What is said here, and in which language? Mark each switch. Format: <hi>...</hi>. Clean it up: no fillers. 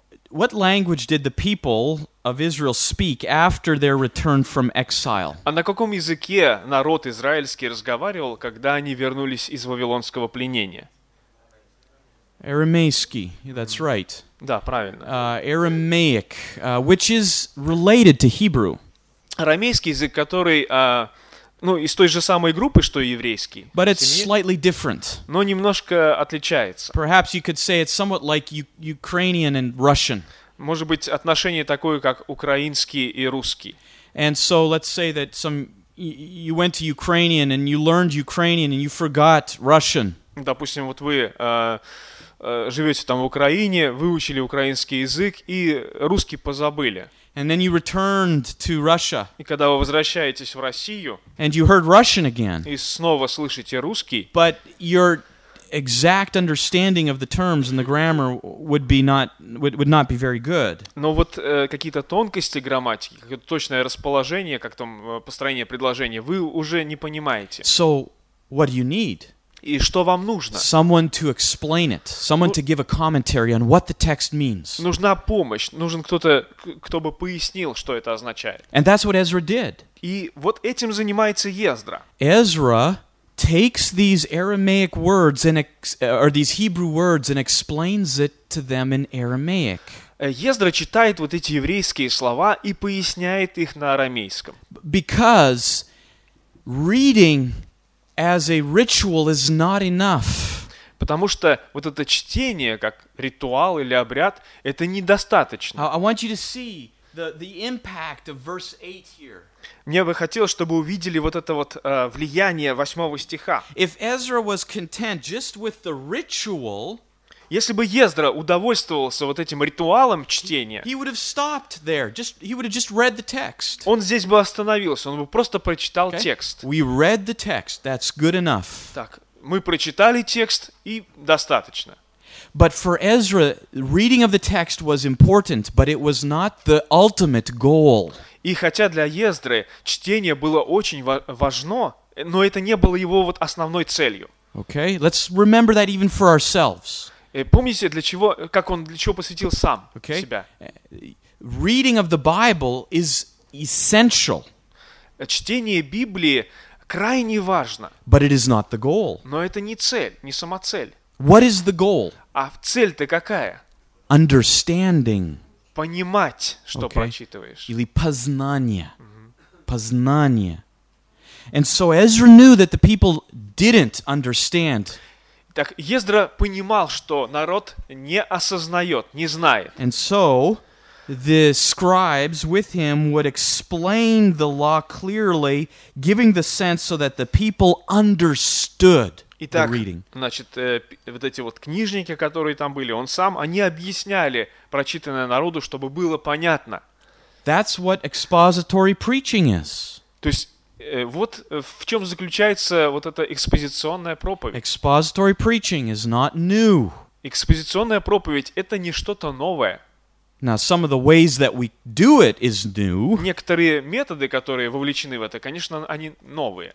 <en>What language did the people of Israel speak after their return from exile?</en> <ru>А на каком языке народ израильский разговаривал, когда они вернулись из вавилонского пленения?</ru> <en>Арамейский. That's right.</en> <ru>Да, правильно.</ru> <en>Aramaic, which is related to Hebrew.</en> <ru>Арамейский язык, который ну, из той же самой группы, что и еврейский.</ru> <en>But it's slightly different.</en> <ru>Но немножко отличается.</ru> <en>Perhaps you could say it's somewhat like Ukrainian and Russian.</en> <ru>Может быть, отношение такое, как украинский и русский.</ru> <en>And so let's say that some you went to Ukrainian and you learned Ukrainian and you forgot Russian.</en> <ru>Допустим, вот вы живете там в Украине, выучили украинский язык и русский позабыли.</ru> <en>And then you returned to Russia.</en> <ru>И когда вы возвращаетесь в Россию,</ru> <en>and you heard Russian again.</en> <ru>И снова слышите русский.</ru> <en>But your exact understanding of the terms and the grammar would not be very good.</en> <ru>Но вот какие-то тонкости грамматики, какое-то точное расположение, как там построение предложения, вы уже не понимаете.</ru> <en>So what do you need?</en> <ru>И что вам нужно?</ru> <en>Someone to explain it. Someone to give a commentary on what the text means.</en> <ru>Нужна помощь. Нужен кто-то, кто бы пояснил, что это означает.</ru> <en>And that's what Ezra did.</en> <ru>И вот этим занимается Ezra.</ru> <en>Ezra takes these Aramaic words and or these Hebrew words and explains it to them in Aramaic.</en> <ru>Ezra читает вот эти еврейские слова и поясняет их на арамейском.</ru> <en>Because reading as a ritual is not enough.</en> <ru>Потому что вот это чтение как ритуал или обряд это недостаточно.</ru> <en>I want you to see the impact of verse 8 here.</en> <ru>Мне бы хотелось, чтобы увидели вот это вот влияние восьмого стиха.</ru> <en>If Ezra was content just with the ritual,</en> <ru>Если бы Ездра удовольствовался вот этим ритуалом чтения,</ru> <en>he would have stopped there. Just, he would have just read the text.</en> <ru>Он здесь бы остановился, он бы просто прочитал текст.</ru> <en>We read the text. That's good enough.</en> <ru>Так, мы прочитали текст, и достаточно.</ru> <en>But for Ezra, reading of the text was important, but it was not the ultimate goal.</en> <ru>И хотя для Ездры чтение было очень важно, но это не было его вот основной целью.</ru> <en>Okay, let's remember that even for ourselves.</en> <ru>Помните, для чего, как он для чего посвятил сам okay. себя?</ru> <en>Reading of the Bible is essential.</en> <ru>Чтение Библии крайне важно.</ru> <en>But it is not the goal.</en> <ru>Но это не цель, не самоцель.</ru> <en>What is the goal?</en> <ru>А цель-то какая?</ru> <en>Understanding.</en> <ru>Понимать, что okay. прочитываешь. Или познание. Mm-hmm. Познание.</ru> <en>And so Ezra knew that the people didn't understand.</en> <ru>Так Ездра понимал, что народ не осознает, не знает.</ru> <en>And so the scribes with him would explain the law clearly, giving the sense so that the people understood.</en> <ru>Итак,</ru> <en>the reading.</en> <ru>Значит, вот эти вот книжники, которые там были, он сам, они объясняли прочитанное народу, чтобы было понятно.</ru> <en>That's what expository preaching is.</en> <ru>То есть вот в чем заключается вот эта экспозиционная проповедь.</ru> <en>Expository preaching is not new.</en> <ru>Экспозиционная проповедь — это не что-то новое.</ru> <en>Now, some of the ways that we do it is new.</en> <ru>Некоторые методы, которые вовлечены в это, конечно, они новые.</ru>